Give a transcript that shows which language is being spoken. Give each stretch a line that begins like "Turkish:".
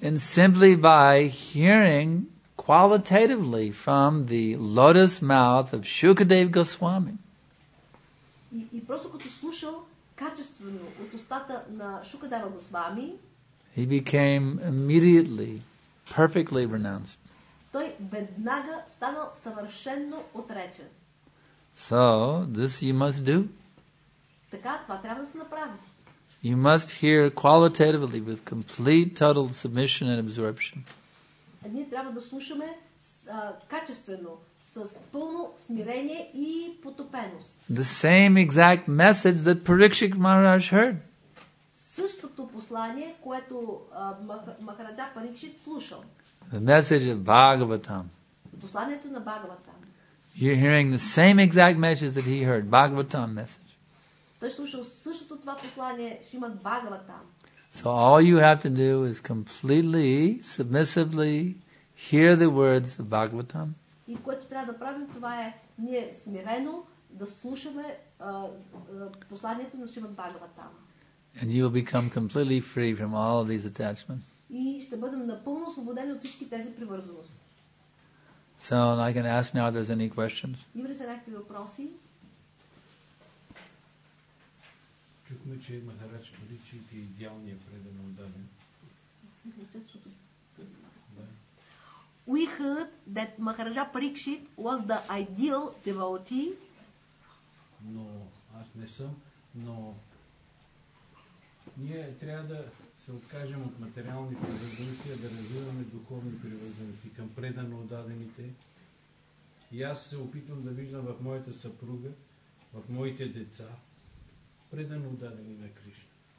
English: And simply by hearing qualitatively from the lotus mouth of Shukadev Goswami.
Bulgarian: И просто като слушал качествено от устата на Шукадева Госвами,
English: he became immediately perfectly renounced.
Bulgarian: Той веднага станал съвършено отречен.
English: So, this you must do.
Bulgarian: Така, това трябва да се направи.
English: You must hear qualitatively with complete total submission and absorption.
Bulgarian: А ние трябва да слушаме качествено, с пълно смирение и потопеност.
English: The same exact message that Parikshit Maharaj heard.
Bulgarian: Същото послание, което Махараджа Парикшит слушал.
English: The message of Bhagavatam.
Bulgarian: Посланието на Бхагаватам.
English: You're hearing the same exact message that he heard, Bhagavatam message.
Bulgarian: Той слушал същото това послание, Шримад Бхагаватам.
English: So all you have to do is completely, submissively hear the words of Bhagavatam.
Bulgarian: И което трябва да правим, това е ние смирено да слушаме посланието на Шримад Бхагаватам.
English: And you will become completely free from all of these attachments.
Bulgarian: И ще бъдем напълно освободени от всички тези привързаности.
English: So I can ask now if there's any questions.
Bulgarian: Има ли се някакви въпроси? Чухме, че Махарадж Паричит е идеалният преден отдаден.
English: We heard that Махараджа Парикшит was the ideal devotee.
Bulgarian: Но аз не съм, но ние трябва да се откажем от материални привързаности, да развиваме духовни привързаности към предано отдадените. И аз се опитвам да виждам в моята съпруга, в моите деца, предано отдадени на Кришна.